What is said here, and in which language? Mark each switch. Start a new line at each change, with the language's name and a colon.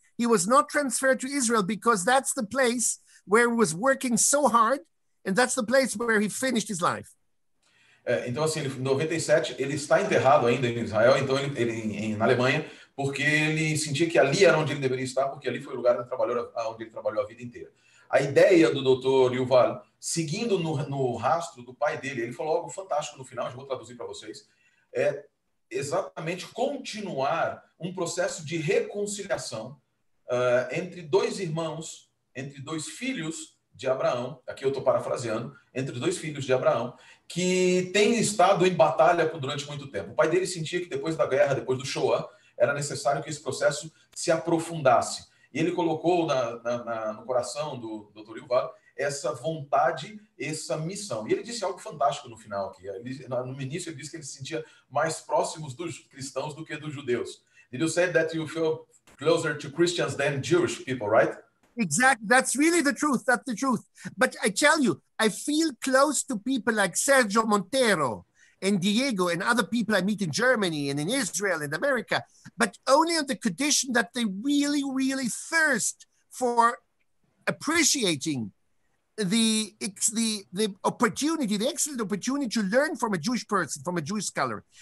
English: He was not transferred to Israel because that's the place where he was working so hard and that's the place where he finished his life.
Portuguese: Então assim, em 97 ele está enterrado ainda em Israel, então na Alemanha, porque ele sentia que ali era onde ele deveria estar, porque ali foi o lugar onde ele trabalhou a vida inteira. A ideia do Dr. Yuval, seguindo no rastro do pai dele, ele falou algo fantástico no final, já vou traduzir para vocês, é exatamente continuar um processo de reconciliação entre dois irmãos, entre dois filhos de Abraão, aqui eu estou parafraseando, entre dois filhos de Abraão, que têm estado em batalha durante muito tempo. O pai dele sentia que depois da guerra, depois do Shoah, era necessário que esse processo se aprofundasse. E ele colocou no coração do Dr. Yuval essa vontade, essa missão. E ele disse algo fantástico no final aqui. No início ele disse que ele se sentia mais próximo dos cristãos do que dos judeus.
English: Did you say that you feel closer to Christians than Jewish people, right? Exactly. That's really the truth. That's the truth. But I tell you, I feel close to people like Sergio Montero and Diego and other people I meet in Germany and in Israel and America, but only on the condition that they really, really thirst for appreciating the opportunity, the excellent opportunity to learn from a Jewish person, from a Jewish scholar.